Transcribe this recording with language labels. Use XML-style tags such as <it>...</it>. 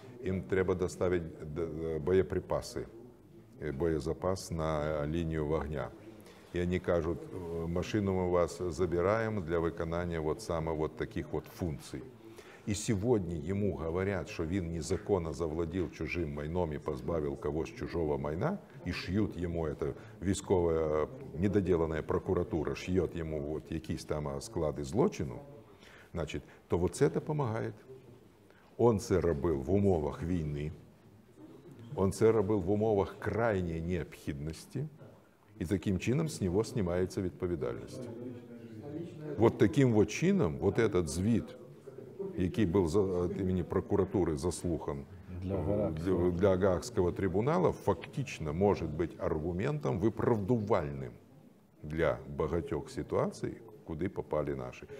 <uk>Їм треба доставити боєприпаси, боєзапас на лінію вогня.</uk> <ru>и они кажут, машину мы вас забираем для выполнения вот самых вот таких вот функций. И сегодня ему говорят, что он незаконно завладел чужим майном и позбавил кого-то чужого майна, и шьют ему это, військовая недоделанная прокуратура шьет ему вот какие-то там склады злочину, значит, то вот это помогает.</ru> <uk>Он це робив в умовах війни, он це робив в умовах крайньої необхідності, і таким чином з нього знімається відповідальність. От таким от чином, от цей звіт, який був від імені прокуратури заслухан для Гаагського трибуналу, фактично може бути аргументом виправдувальним для багатьох ситуацій, куди попали наші.</uk>